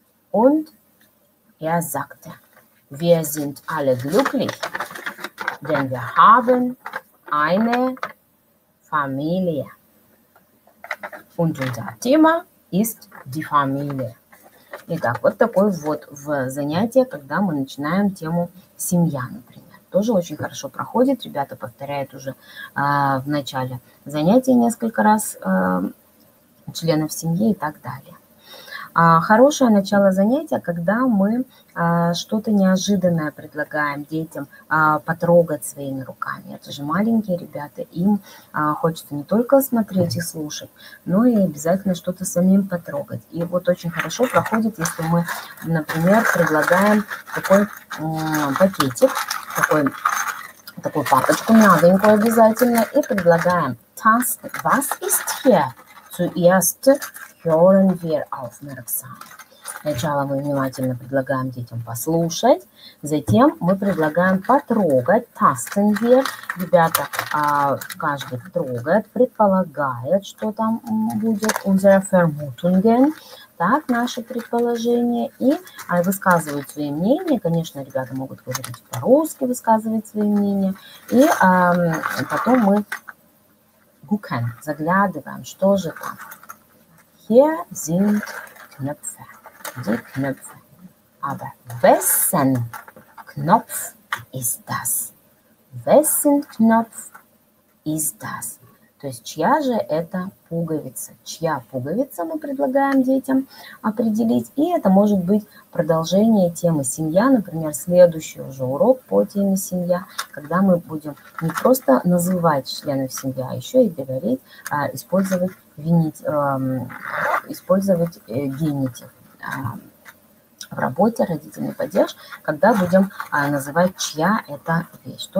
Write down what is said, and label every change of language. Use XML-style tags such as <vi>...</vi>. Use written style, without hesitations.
<de>Und er sagte, wir sind alle glücklich, denn wir haben eine Familie. Und unser Thema ist die Familie.</de> <ru>Итак, вот такой вот в занятие, когда мы начинаем тему «Семья», например. Тоже очень хорошо проходит. Ребята повторяют уже в начале занятия несколько раз членов семьи и так далее. Хорошее начало занятия, когда мы что-то неожиданное предлагаем детям потрогать своими руками. Это же маленькие ребята, им хочется не только смотреть и слушать, но и обязательно что-то самим потрогать. И вот очень хорошо проходит, если мы, например, предлагаем такой пакетик, такую папочку мягенькую обязательно, и предлагаем</ru> <de>«Tast, was ist hier?» Zuerst hören wir aufmerksam.</de> <ru>Сначала мы внимательно предлагаем детям послушать, затем мы предлагаем потрогать,</ru> <de>«Tasten wir».</de> <ru>Ребята, каждый трогает, предполагает, что там будет,</ru> <de>«Unsere Vermutungen».</de> <ru>Так, наше предположение, и высказывают свои мнения. Конечно, ребята могут говорить по-русски, высказывать свои мнения. И потом мы gucken, заглядываем, что же там.</ru> <de>Hier sind Knöpfe. Die Knöpfe. Aber wessen Knopf ist das? Wessen Knopf ist das?</de> <ru>То есть, чья же это пуговица? Чья пуговица мы предлагаем детям определить? И это может быть продолжение темы «Семья». Например, следующий уже урок по теме «Семья», когда мы будем не просто называть членов семьи, а еще и говорить, использовать генитив в работе родительный падеж, когда будем называть, чья это вещь.</ru>